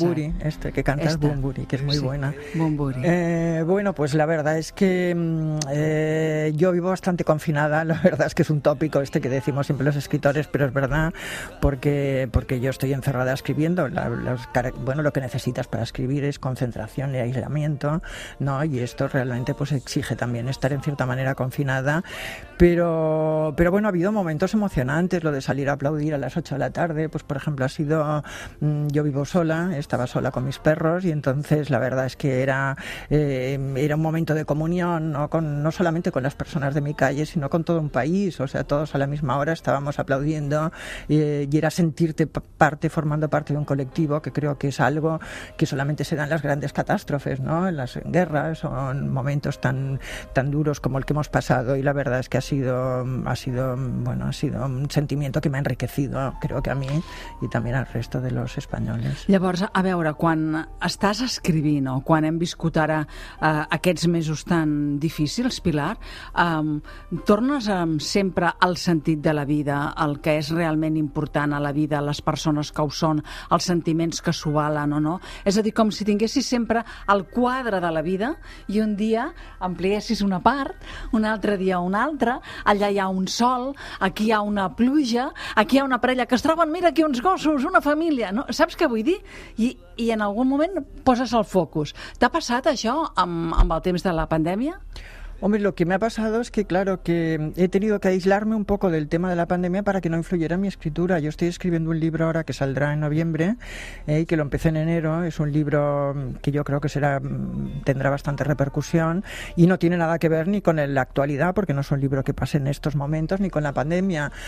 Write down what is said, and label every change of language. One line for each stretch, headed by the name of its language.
Catalan: Bumburi,
Spanish: que cantas
Catalan: Bumburi, que és molt bona. Bumburi.
Spanish: Bueno, pues la verdad es que yo vivo bastante confinada. La verdad es que es un tópico este que decimos siempre los escritores, pero es verdad, porque yo estoy encerrada escribiendo. Lo que necesitas para escribir es concentración y aislamiento, ¿no? Y esto realmente pues exige también estar en cierta manera confinada. Pero bueno, ha habido momentos emocionantes, lo de salir a aplaudir a las 8 de la tarde, pues por ejemplo ha sido, yo vivo sola, estaba sola con mis perros y entonces la verdad es que era un momento de comunión, ¿no? No solamente con las personas de mi calle, sino con todo un país, o sea, todos a la misma hora estábamos aplaudiendo, y era sentirte formando parte de un colectivo, que creo que es algo que solamente se da en las grandes catástrofes, ¿no? En las guerras o en momentos tan, tan duros como el que hemos pasado, y la verdad es que ha sido un sentimiento que
Catalan: m'ha enriquecido,
Spanish: creo que a mi
Catalan: i també
Spanish: al resto de los españoles.
Catalan: Llavors, a veure, quan estàs escrivint o quan hem viscut ara aquests mesos tan difícils, Pilar, tornes sempre al sentit de la vida, el que és realment important a la vida, les persones que ho són, els sentiments que s'ho valen o no? És a dir, com si tinguessis sempre el quadre de la vida i un dia ampliessis una part, un altre dia una altra, allà hi ha un sol, aquí hi ha una pluja, aquí hi ha una parella que es troben, mira, aquí uns gossos, una família, no? Saps què vull dir? I en algun moment poses el focus. T'ha passat això amb el temps de la pandèmia?
Spanish: Hombre, lo que me ha pasado es que, claro, que he tenido que aislarme un poco del tema de la pandemia para que no influyera en mi escritura. Yo estoy escribiendo un libro ahora que saldrá en noviembre y que lo empecé en enero. Es un libro que yo creo que tendrá bastante repercusión y no tiene nada que ver ni con la actualidad, porque no es un libro que pase en estos momentos, ni con la pandemia.